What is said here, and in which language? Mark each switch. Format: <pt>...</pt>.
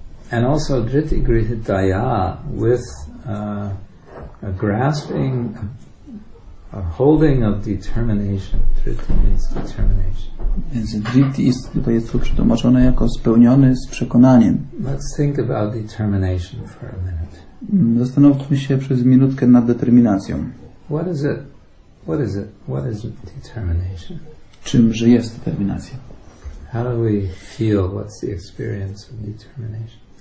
<en>And also driti grihitaya, with a grasping, a holding of determination. Driti means determination.</en> <pl>Więc driti jest tutaj przetłumaczone jako spełniony z przekonaniem.</pl> <en>Let's think about determination for a minute.</en> <pl>Zastanówmy się przez minutkę nad determinacją.</pl> <en>What is it? What is it? What is determination?</en> <pl>Czymże jest determinacja?</pl> <en>How do we feel? What's the experience of determination?</en>